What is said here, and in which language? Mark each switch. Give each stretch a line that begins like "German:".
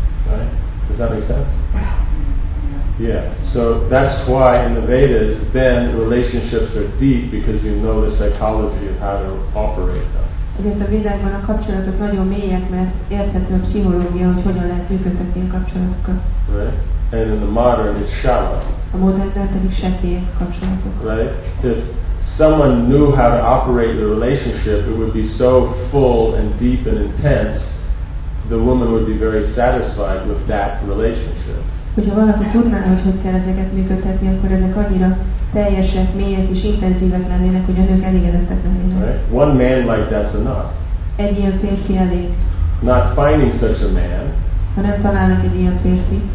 English: Right? Does that make sense? Yeah. So that's why in the Vedas, then relationships are deep, because you know the psychology of how to operate them.
Hungarian: Ezért a Védákban a kapcsolatok nagyon mélyek, mert érthető a pszichológia, hogy hogyan lehet működtetni a kapcsolatokat.
English: Right? And in the modern, it's shallow.
Hungarian: A modernben pedig sekély kapcsolatok.
English: Right? If someone knew how to operate the relationship, it would be so full and deep and intense, the woman would be very satisfied with that relationship.
Hungarian: Hogyha valaki tudná, hogy kell ezeket működtetni, akkor ezek annyira teljesek, mélyek és intenzívek lennének, hogy a nők elégedettek lennének.
English: Right? One man like that's enough.
Hungarian: Egy ilyen férfi elég.
English: Not finding such a man.
Hungarian: Ha nem találnak egy ilyen férfi.